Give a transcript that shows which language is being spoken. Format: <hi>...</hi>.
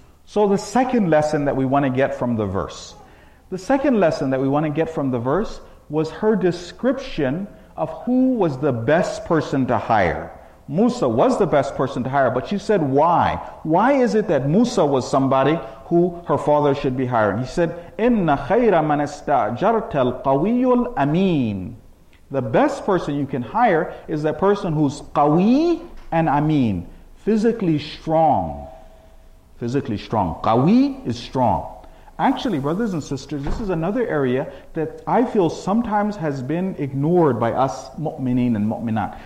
<en>So the second lesson that we want to get from the verse. The second lesson that we want to get from the verse was her description of who was the best person to hire. Musa was the best person to hire, but she said, why? Why is it that Musa was somebody who her father should be hiring? He said,</en> <ar>إِنَّ خَيْرَ مَنَ اسْتَعْجَرْتَ الْقَوِيُّ الْأَمِينَ.</ar> <en>The best person you can hire is that person who's qawi and amin, physically strong. Physically strong. Qawi is strong. Actually, brothers and sisters, this is another area that I feel sometimes has been ignored by us mu'mineen and mu'minat.</en>